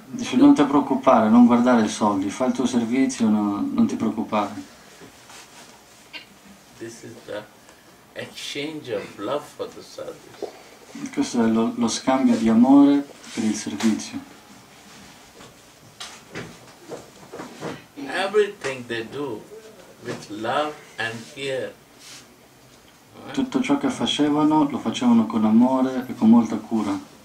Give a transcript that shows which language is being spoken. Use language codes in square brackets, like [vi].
[it] Dice, non ti preoccupare, non guardare i soldi. Fai il tuo servizio, no, non ti preoccupare. [en] This is the exchange of love for the service. [it] Questo è lo scambio di amore per il servizio. [en] Everything they do with love and care. [it] Tutto ciò che facevano lo facevano con amore e con molta cura.